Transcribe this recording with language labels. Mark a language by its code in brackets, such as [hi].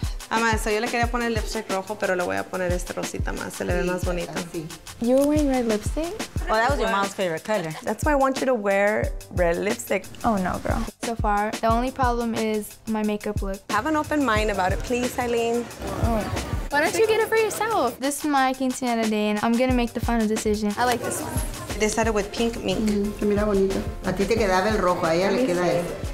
[es] Ama, so yo le quería poner lipstick rojo, pero le voy a poner este rosita más. Se le ve más bonito. [en] You were wearing red lipstick? Oh, that was your mom's favorite color. That's why I want you to wear red lipstick. Oh, no, girl. So far, the only problem is my makeup look. Have an open mind about it, please, Eileen. Oh. Why don't you get it for yourself? This is my Quinceañera day, and I'm going to make the final decision. I like this one. They started with pink mink. [es] Se mira bonito. A ti te quedaba el rojo, a ella le queda el.